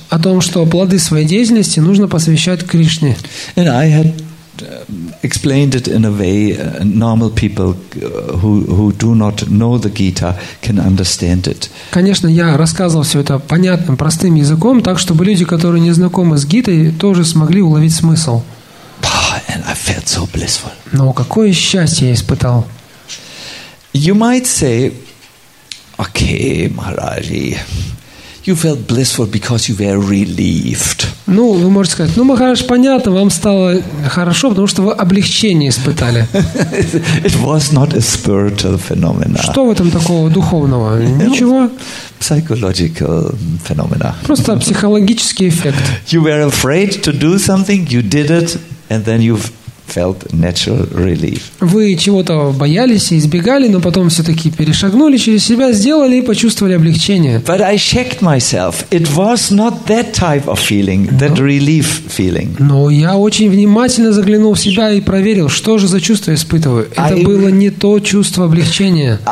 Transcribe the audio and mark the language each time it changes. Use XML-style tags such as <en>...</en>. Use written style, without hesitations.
<ru>О том, что плоды своей деятельности нужно посвящать Кришне.</ru> <en>And I had explained it in a way normal people who do not know the Gita can understand it.</en> <ru>Конечно, я рассказывал все это понятным, простым языком, так чтобы люди, которые не знакомы с Гитой, тоже смогли уловить смысл.</ru> <en>And I felt so blissful.</en> <ru>Но какое счастье я испытал.</ru> <en>You might say, okay, Maharaji, you felt blissful because you were relieved.</en> <ru>Ну, вы можете сказать, ну, Махарадж, понятно, вам стало хорошо, потому что вы облегчение испытали.</ru> <en>It was not a spiritual phenomenon.</en> <ru>Что в этом такого духовного? Ничего.</ru> <en>Psychological phenomena.</en> <ru>Просто психологический эффект.</ru> <en>You were afraid to do something, you did it, and then you've felt natural relief.</en> <ru>Вы чего-то боялись и избегали, но потом все-таки перешагнули через себя, сделали и почувствовали облегчение.</ru> <en>But I checked myself. It was not that type of feeling, that relief feeling.</en> <ru>Но я очень внимательно заглянул в себя и проверил, что же за чувство я испытываю. Это было не то чувство облегчения.</ru>